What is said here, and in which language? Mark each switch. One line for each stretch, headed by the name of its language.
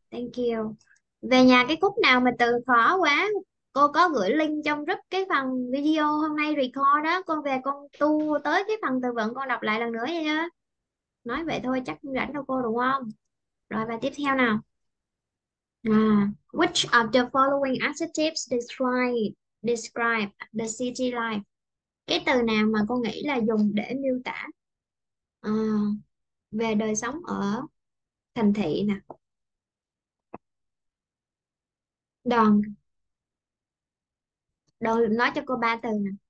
English: Thank you.
Vietnamese: Về nhà cái khúc nào mà từ khó quá cô có gửi link trong group cái phần video hôm nay record đó, con về con tu tới cái phần từ vựng con đọc lại lần nữa nha. Nói vậy thôi chắc rảnh đâu cô đúng không. Rồi bài tiếp theo nào.
English: À, which of the following adjectives describe the city life?
Vietnamese: Cái từ nào mà cô nghĩ là dùng để miêu tả về đời sống ở thành thị nè? Đoàn. Đoàn nói cho cô ba từ nè.